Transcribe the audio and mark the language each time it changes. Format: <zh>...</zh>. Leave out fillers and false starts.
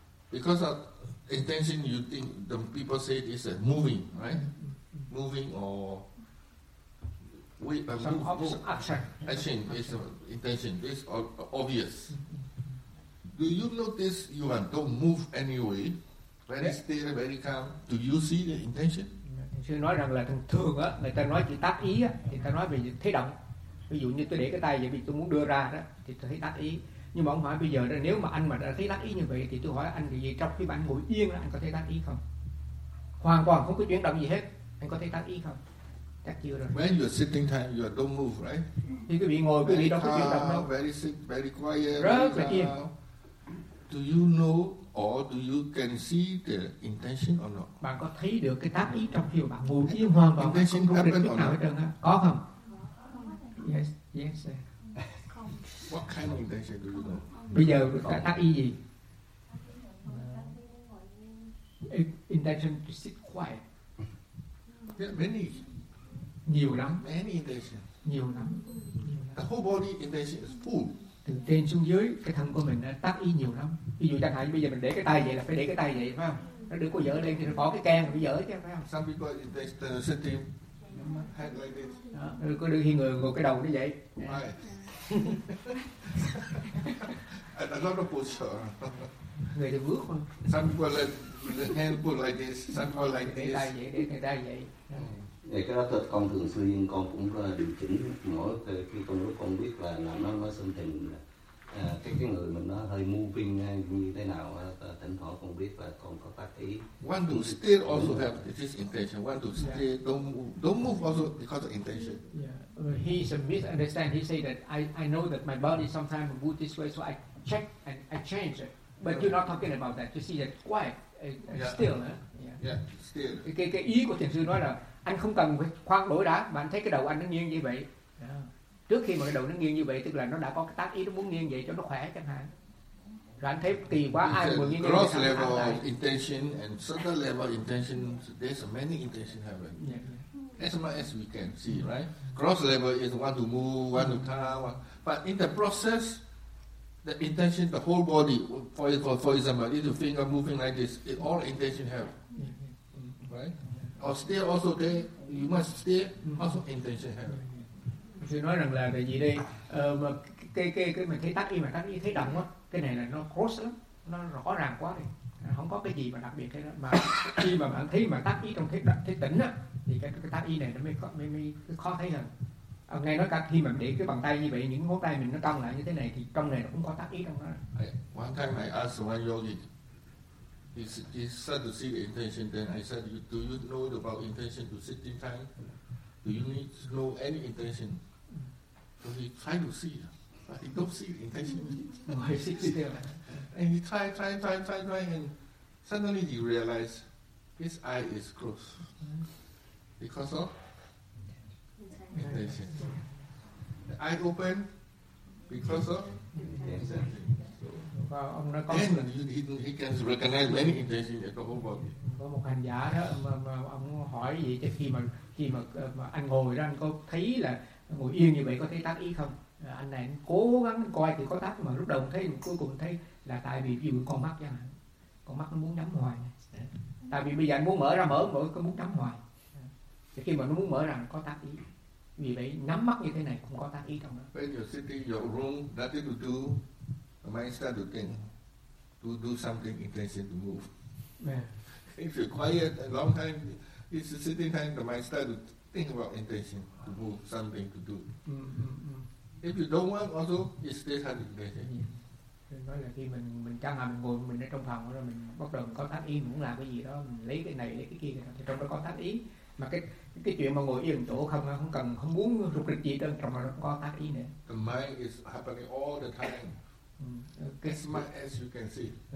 <en>Because of intention, you think the people say this is moving, right? Moving or wait, some move, action. Action is intention. This is obvious. Do you notice you are don't move anyway? Very still, very calm. Do you see the intention?</en> <vi>Sư nói rằng là thường á, người ta nói chỉ tác ý á, thì ta nói về thấy động. Ví dụ như tôi để cái tay vậy, vì tôi muốn đưa ra đó, thì tôi thấy tác ý. Nhưng mà ông hỏi bây giờ đó, nếu mà anh mà đã thấy tác ý như vậy, thì tôi hỏi anh thì trong khi bạn ngồi yên đó, anh có thấy tác ý không? Hoàn toàn không có chuyển động gì hết, anh có thấy tác ý không? Chắc chưa rồi.</vi> <en>When you're sitting time, you don't move, right?</en> <vi>Thì quý vị ngồi, quý vị đâu có chuyển động đâu.</vi> <en>Very sick, very quiet.</en> <vi>Rất là yên.</vi> <en>Do you know or do you can see the intention or not?</en> <vi>Bạn có thấy được cái tác ý trong khi bạn ngồi yên hoàn toàn không có định thức nào hết trơn á? Có không?</vi> <en>Yes, yes, sir. What kind of intention do you know?</en> <vi>Bây giờ tác ý gì?</vi> <en>Intention to sit quiet. Yeah, many.</en> <vi>Nhiều lắm.</vi> <en>Many intention.</en> <vi>Nhiều lắm.</vi> <en>The whole body intention is full.</en> <vi>Từ trên xuống dưới, cái thân của mình tác ý nhiều lắm. Ví dụ chẳng hạn bây giờ mình để cái tay vậy là phải để cái tay vậy, phải không? Nó đưa cô dở lên thì nó bỏ cái can, nó dở chứ, phải không?</vi> <en>Some people, they're sitting. Head like this.</en> <vi>Đó, có đưa người ngồi cái đầu nó vậy.</vi> <en>Right. Another posture.</en> <vi>Người thì bước không?</vi> <en>Some people let the hand put like this, some people like this.</en> <vi>Để tay vậy. Cái đó thật, con thường xuyên con cũng điều chỉnh mỗi khi con lúc con biết là nó sân tình cái người mình nó hơi moving như thế nào, thỉnh thoảng con biết và con có tác ý.</vi> <en>One to stay also have this intention. One to stay, don't move also because of intention. Yeah, he's a misunderstand. He say that I know that my body sometimes move this way, so I check and I change it. But you're not talking about that. You see that quiet, still. Yeah, still.</en> <vi>Cái ý của thiền sư nói là anh không cần phải khoan đổi đá, mà anh thấy cái đầu anh nó nghiêng như vậy. Trước khi mà cái đầu nó nghiêng như vậy, tức là nó đã có cái tác ý nó muốn nghiêng vậy cho nó khỏe chẳng hạn. Rồi anh thấy kỳ quá, ai mà nghiêng như vậy,</vi> <en>level intention and certain level intention, there's many intention happen. As much as we can see, right? Cross level is want to move, want to come. But in the process, the intention, the whole body, for example, if the finger moving like this, it all intention have. Right? Or stay also there, you must stay, also intention have.</en> <vi>Sư nói rằng là gì đây, mà cái mình thấy tác ý, mà tác ý thấy động á, cái này là nó cross lắm, nó rõ ràng quá đi, không có cái gì mà đặc biệt cái đó. Mà khi mà bạn thấy mà tác ý trong thấy tỉnh á, thì cái tác ý này nó mới khó thấy hơn. Nghe nói cả khi mà để cái bàn tay như vậy, những ngón tay mình nó cong lại như thế này, thì trong này nó cũng có tác ý trong đó.</vi> <en>One time I asked one yogi, he said to see the intention, then I said, do you know about intention to sit in time? Do you need to know any intention? So he tried to see, but he don't see the intention. No, he sits still. And he try, and suddenly he realized his eye is closed because of intention. The eye open because of intention. And he can recognize many intentions in the whole body.</en> <vi>Có một hành giả đó mà ông hỏi vậy, chứ khi mà anh ngồi đó, anh có thấy là ngồi yên như vậy có thấy tác ý không? Anh này anh cố gắng anh coi thì có tác, mà lúc đầu thấy, cuối cùng thấy là tại vì ví dụ con mắt nó muốn nhắm hoài, tại vì bây giờ anh muốn mở ra có muốn nhắm hoài, thì khi mà nó muốn mở ra có tác ý, vì vậy nhắm mắt như thế này cũng có tác ý trong đó.</vi> <en>When you're sitting in your room, nothing to do, the mind start to think to do something intention to move. If you're quiet a long time, it's a sitting time, the mind starts to think about intention, to move, something to do. If you don't want also, it stays on intention.</en> <vi>Nói là khi mình chẳng hạn mình ngồi mình ở trong phòng, rồi mình bắt đầu có tác ý, mình muốn làm cái gì đó, mình lấy cái này, lấy cái kia, thì trong đó có tác ý. mà cái chuyện mà ngồi yên chỗ không không cần không muốn rụt rịch gì đâu mà nó có tác ý nữa.</vi> <en>The mind is happening all the time. As much as you can see.</en>